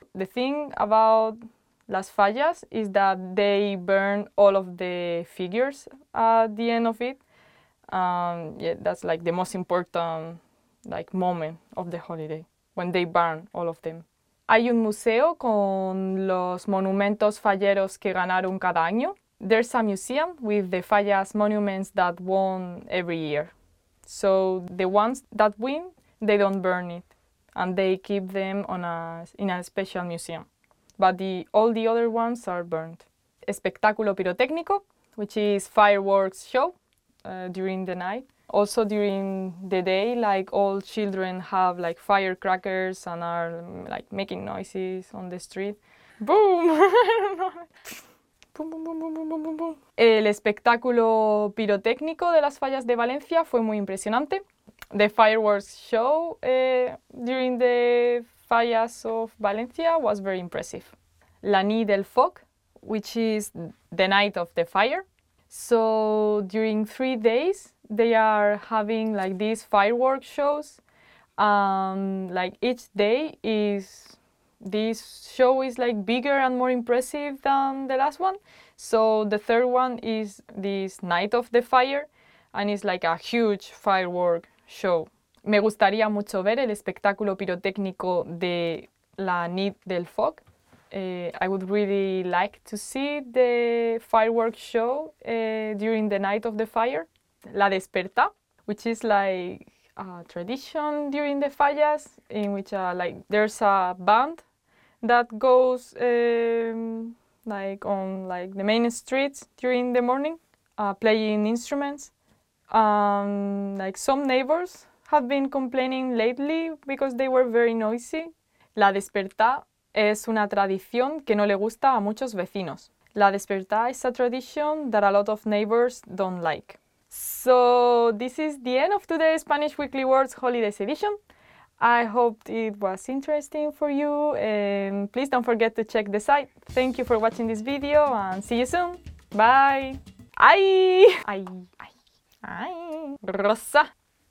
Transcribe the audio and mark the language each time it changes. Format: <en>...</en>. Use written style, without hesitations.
<en>The thing about las fallas is that they burn all of the figures at the end of it. Yeah, that's like the most important like moment of the holiday, when they burn all of them.</en> <es>Hay un museo con los monumentos falleros que ganaron cada año.</es> <en>There's a museum with the fallas monuments that won every year. So the ones that win, they don't burn it, and they keep them in a special museum. But all the other ones are burned. Espectáculo pirotécnico, which is fireworks show during the night. Also during the day, like all children have like firecrackers and are like making noises on the street. Boom! Boom, boom, boom, boom, boom, boom, boom, boom.</en> <es>El espectáculo pirotécnico de las fallas de Valencia fue muy impresionante.</es> <en>The fireworks show during the fallas of Valencia was very impressive. La nid del foc, which is the night of the fire. So during 3 days, they are having like these fireworks shows. Like each day is, this show is like bigger and more impressive than the last one. So the third one is this Night of the Fire, and it's like a huge firework show.</en> <es>Me gustaría mucho ver el espectáculo pirotécnico de La Nid del Foc.</es> <en>I would really like to see the fireworks show during the Night of the Fire. La Desperta, which is like a tradition during the fallas, in which like there's a band that goes like on like the main streets during the morning, playing instruments. Like some neighbors have been complaining lately because they were very noisy.</en> <es>La Desperta es una tradición que no le gusta a muchos vecinos.</es> <en>La Desperta is a tradition that a lot of neighbors don't like. So this is the end of today's Spanish Weekly Words Holidays Edition. I hope it was interesting for you, and please don't forget to check the site. Thank you for watching this video and see you soon. Bye. Ay. Ay. Ay. Rosa.</en>